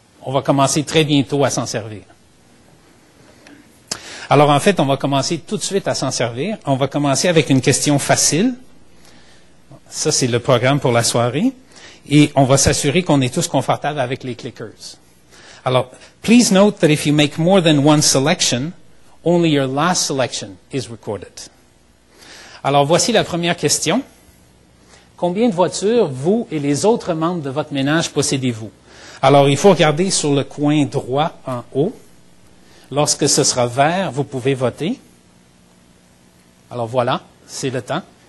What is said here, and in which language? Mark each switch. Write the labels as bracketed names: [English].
[French] On va commencer très bientôt à s'en servir. Alors, en fait, on va commencer tout de suite à s'en servir. On va commencer avec une question facile. Ça, c'est le programme pour la soirée. Et on va s'assurer qu'on est tous confortables avec les clickers. [English] Alors, please note that if you make more than one selection, only your last selection is recorded. [French] Alors, voici la première question. Combien de voitures, vous et les autres membres de votre ménage, possédez-vous? Alors, il faut regarder sur le coin droit en haut. Lorsque ce sera vert, vous pouvez voter. Alors voilà, c'est le temps.